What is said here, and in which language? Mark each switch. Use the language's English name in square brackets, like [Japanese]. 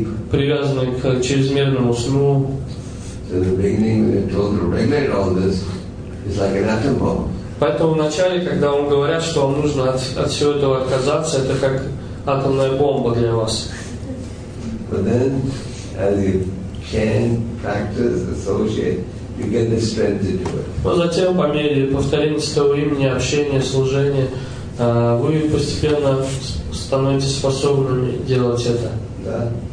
[Russian] Привязаны к чрезмерному сну. Поэтому вначале, когда вам говорят, что вам нужно от всего этого отказаться, это как атомная бомба для вас. [English] But then, as you chant, practice, associate, you get the strength to do it. [Russian] Но затем, по мере повторения своего имени, общения, служения, вы постепенно становитесь способными делать это.